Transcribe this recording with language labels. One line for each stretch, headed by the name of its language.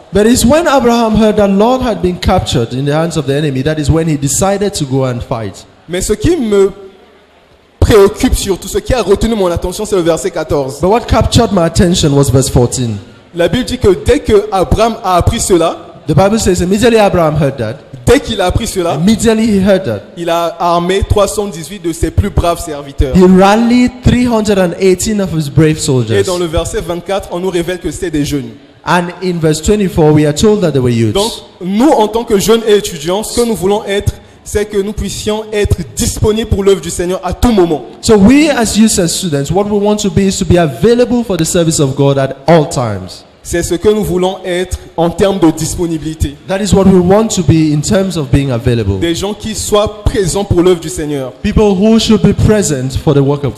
English: But it's when Abraham heard that Lot had been captured in the hands of the enemy that is when he decided to go and fight.
French: Mais ce qui me préoccupe surtout, ce qui a retenu mon attention, c'est le verset 14.
English: But what captured my attention was verse 14.
French: La Bible dit que dès que Abraham a appris cela,
English: the Bible says immediately Abraham heard that.
French: Dès qu'il a appris cela,
English: immediately he heard that.
French: Il a armé 318 de ses plus braves serviteurs.
English: He rallied 318 of his brave soldiers.
French: Et dans le verset 24, on nous révèle que c'était des jeunes.
English: And in verse 24, we are told that they were youths.
French: Donc, nous, en tant que jeunes et étudiants, ce que nous voulons être, c'est que nous puissions être disponibles pour l'œuvre du Seigneur à tout moment.
English: So we, as youths and students, what we want to be is to be available for the service of God at all times.
French: C'est ce que nous voulons être en termes de disponibilité.
English: That is what we want to be in terms of being available.
French: Des gens qui soient présents pour l'œuvre du Seigneur.
English: People who should be present for the work of God.